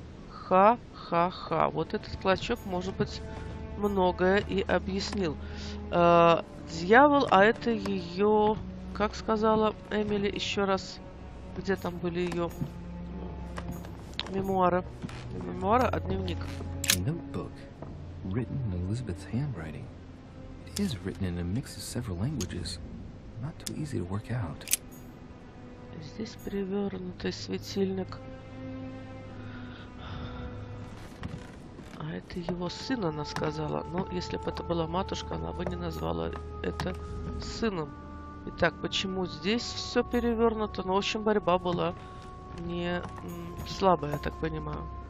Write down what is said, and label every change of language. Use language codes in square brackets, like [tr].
[ru] Ха-ха-ха. Вот этот клочок, может быть, многое и объяснил. Дьявол, а это ее, как сказала Эмили еще раз, где там были ее мемуары. Не мемуары, а дневник. [en] Notebook, written in Elizabeth's handwriting. It is written in a mix of several languages. Not too easy to work out. [ru] Здесь перевернутый светильник. А это его сын, она сказала. Но если бы это была матушка, она бы не назвала это сыном. Итак, почему здесь все перевернуто? Ну, в общем, борьба была не слабая, я так понимаю.